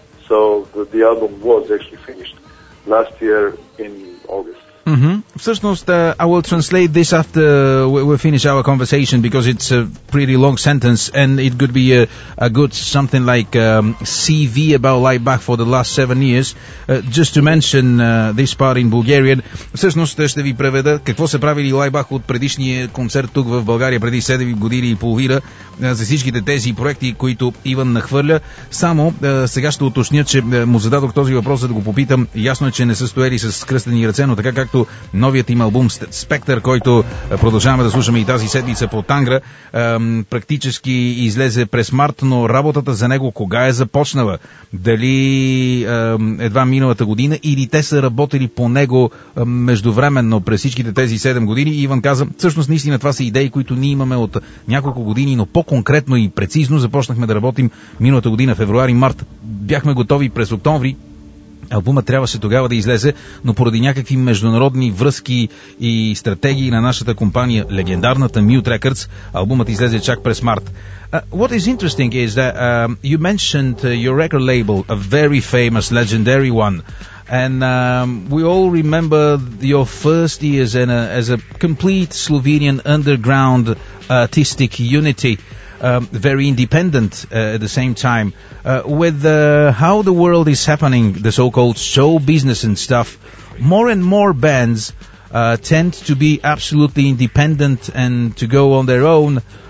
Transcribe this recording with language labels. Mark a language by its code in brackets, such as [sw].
[en] So the album was actually finished last year in August. Mm-hmm. [bg] Всъщност, [en] I will translate this after we finish our conversation, because it's a pretty long sentence and it could be a good something like CV about Laibach for the last 7 years. Just to mention this part in Bulgarian. [bg] Всъщност, ще ви преведа какво са правили Laibach от предишния концерт тук в България преди 7 години и половина за всичките тези проекти, които Иван нахвърля. Само сега ще уточня, че му зададох този въпрос, за да го попитам. Ясно е, че не са стояли с кръстени ръце, но така както новият им албум Спектър, който продължаваме да слушаме и тази седмица по Тангра, практически излезе през март, но работата за него кога е започнала? Дали едва миналата година или те са работили по него междувременно през всичките тези 7 години? И Иван каза, всъщност наистина това са идеи, които ние имаме от няколко години, но по-конкретно и прецизно започнахме да работим миналата година, февруари-март. Бяхме готови през октомври. Албумът трябваше тогава да излезе, но поради някакви международни връзки и стратегии на нашата компания, легендарната Mute Records, албумът излезе чак през март. [en] What is interesting is that you mentioned your record label, a very famous, legendary one. And we all remember your first years as a complete Slovenian underground artistic unity. Very independent at the same time. With how the world is happening, the so-called show business and stuff, more and more bands tend to be absolutely independent and to go on their own.